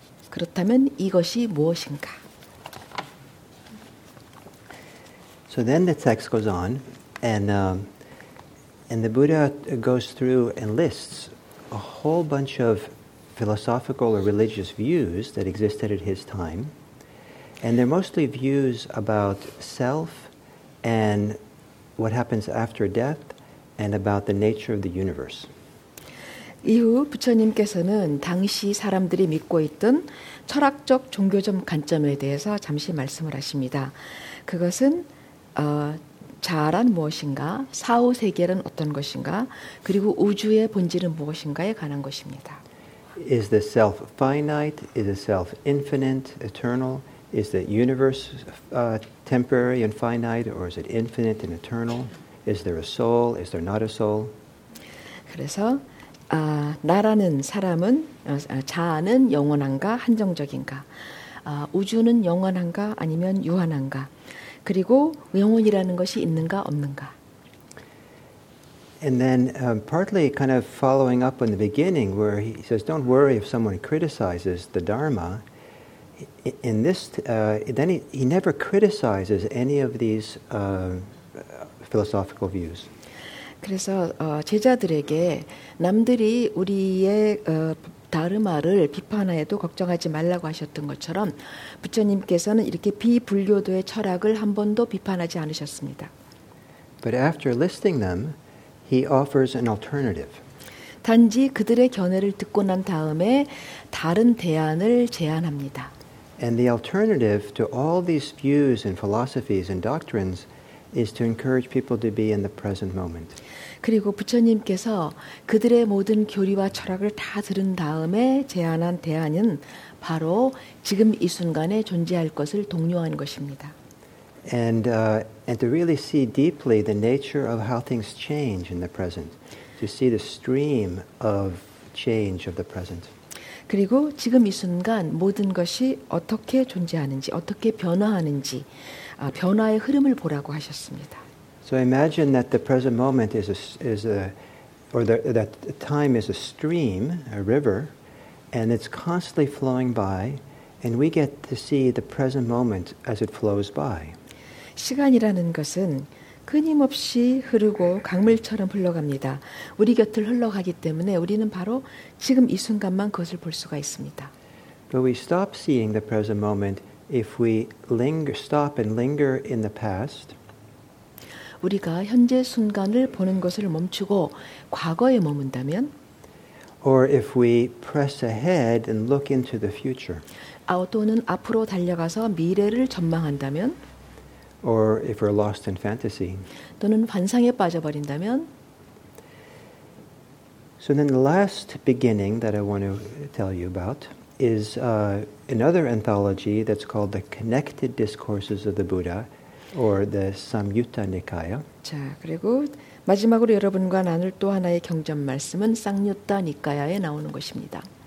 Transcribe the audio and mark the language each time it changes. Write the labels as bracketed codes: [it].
[ko] 그렇다면 이것이 무엇인가? [en] So then the text goes on, and the Buddha goes through and lists a whole bunch of philosophical or religious views that existed at his time, and they're mostly views about self and what happens after death and about the nature of the universe. [ko] 이후 부처님께서는 당시 사람들이 믿고 있던 철학적 종교적 관점에 대해서 잠시 말씀을 하십니다. 그것은 자아란 무엇인가, 사후 세계는 어떤 것인가, 그리고 우주의 본질은 무엇인가에 관한 것입니다. [en] Is the self finite? Is the self infinite, eternal? Is the universe temporary and finite, or is it infinite and eternal? Is there a soul? Is there not a soul? [ko] 그래서 나라는 사람은 자아는 영원한가, 한정적인가? 우주는 영원한가, 아니면 유한한가? 그리고 영혼이라는 것이 있는가 없는가? [en] And then partly kind of following up on the beginning where he says don't worry if someone criticizes the Dharma in this then he never criticizes any of these philosophical views. [ko] 그래서 제자들에게 남들이 우리의 다르마를 비판해도 걱정하지 말라고 하셨던 것처럼 부처님께서는 이렇게 비불교도의 철학을 한 번도 비판하지 않으셨습니다. [en] But after listing them, he offers an alternative. [ko] 단지 그들의 견해를 듣고 난 다음에 다른 대안을 제안합니다. [en] And the alternative to all these views and philosophies and doctrines is to encourage people to be in the present moment. [ko] 그리고 부처님께서 그들의 모든 교리와 철학을 다 들은 다음에 제안한 대안은 바로 지금 이 순간에 존재할 것을 독려한 것입니다. [en] And to really see deeply the nature of how things change in the present, to see the stream of change of the present. [ko] 그리고 지금 이 순간 모든 것이 어떻게 존재하는지, 어떻게 변화하는지, 변화의 흐름을 보라고 하셨습니다. [en] So imagine that the present moment that time is a stream, a river, and it's constantly flowing by, and we get to see the present moment as it flows by. [ko] 시간이라는 것은 끊임없이 흐르고 강물처럼 흘러갑니다. 우리 곁을 흘러가기 때문에 우리는 바로 지금 이 순간만 그것을 볼 수가 있습니다. [en] But we stop seeing the present moment if we stop and linger in the past. [ko] 우리가 현재 순간을 보는 것을 멈추고 과거에 머문다면 [en] or if we press ahead and look into the future. [ko] 또는 앞으로 달려가서 미래를 전망한다면 [en] or if we're lost in fantasy. [ko] 또는 환상에 빠져버린다면 [en] So then the last beginning that I want to tell you about is another anthology that's called The Connected Discourses of the Buddha. Or the Samyutta Nikaya. [ko] 자, 그리고 마지막으로 여러분과 나눌 또 하나의 경전 말씀은 쌍유타 니카야에 나오는 것입니다.